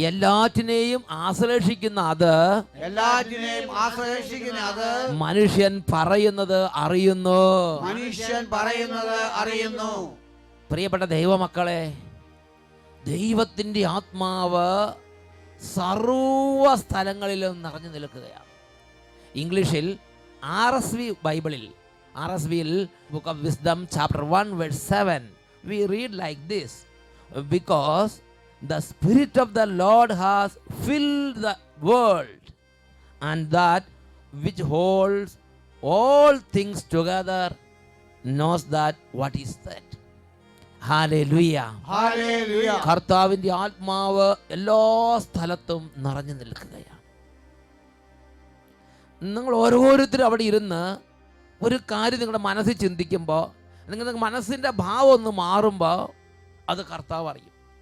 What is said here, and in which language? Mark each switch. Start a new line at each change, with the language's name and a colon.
Malayalam: എല്ലാറ്റിനെയും ആശ്ലേഷിക്കുന്ന അത് മനുഷ്യൻ പറയുന്നത് അറിയുന്നു. മനുഷ്യൻ പറയുന്നത് അറിയുന്നു. പ്രിയപ്പെട്ട ദൈവമക്കളെ, ദൈവത്തിന്റെ ആത്മാവ് സർവ സ്ഥലങ്ങളിലും നിറഞ്ഞു നിൽക്കുകയാണ്. ഇംഗ്ലീഷിൽ RSV ബൈബിളിൽ
English: Book of Wisdom, Chapter 1, Verse 7, we read like this: Because the Spirit of the Lord has filled the world, and that which holds all things together knows that what is that. Hallelujah! Hallelujah!
Malayalam: കർത്താവിന്റെ ആത്മാവ് എല്ലാ സ്ഥലത്തും നിറഞ്ഞു നിൽക്കുകയാണ്. നിങ്ങൾ ഓരോരുത്തരും അവിടെ ഇരുന്ന് ഒരു കാര്യം നിങ്ങളുടെ മനസ്സിൽ ചിന്തിക്കുമ്പോൾ, നിങ്ങളുടെ മനസ്സിൻ്റെ ഭാവം ഒന്ന് മാറുമ്പോൾ അത് കർത്താവ് അറിയും.